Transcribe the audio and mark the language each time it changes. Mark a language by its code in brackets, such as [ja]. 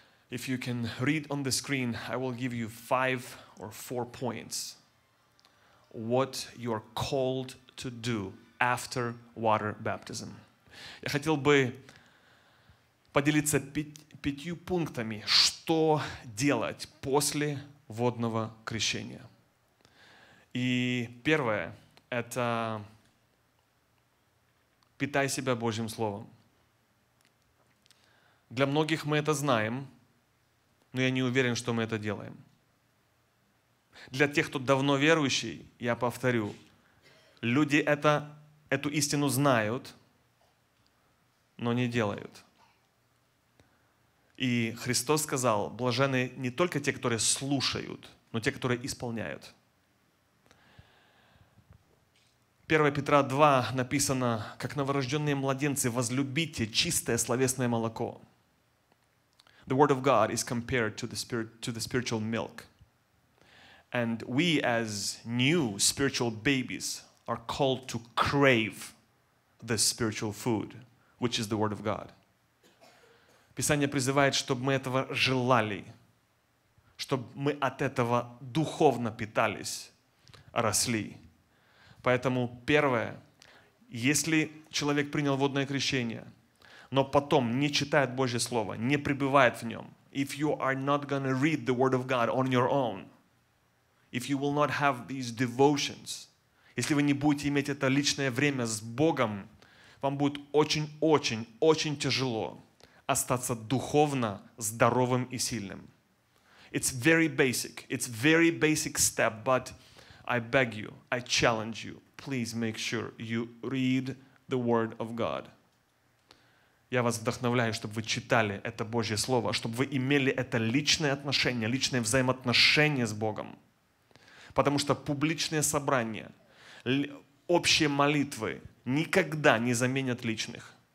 [en] If you can read on the screen, I will give you 5 or 4 points. What you are called to do after water baptism. [ru] Я хотел бы поделиться 5 пунктами, что делать после водного крещения. И первое – это питай себя Божьим Словом. Для многих мы это знаем, но я не уверен, что мы это делаем. Для тех, кто давно верующий, я повторю, люди эту истину знают, но не делают. И Христос сказал: блажены не только те, которые слушают, но те, которые исполняют. 1 Петра 2 написано: как новорожденные младенцы, возлюбите чистое словесное молоко. [en] The word of God is compared to the spiritual milk. And we as new spiritual babies are called to crave the spiritual food, which is the word of God. [ru] Писание призывает, чтобы мы этого желали, чтобы мы от этого духовно питались, росли. Поэтому первое, если человек принял водное крещение, но потом не читает Божье Слово, не пребывает в нем, [en] if you are not going to read the Word of God on your own, if you will not have these devotions, [ru] если вы не будете иметь это личное время с Богом, вам будет очень-очень-очень тяжело остаться духовно здоровым и сильным. [en] It's very basic. It's very basic step, but I beg you, I challenge you, please make sure you read the Word of God. [ru] Я вас вдохновляю, чтобы вы читали это Божье Слово, чтобы вы имели это личное отношение, личное взаимоотношение с Богом. Потому что публичные собрания, общие молитвы никогда не заменят личных.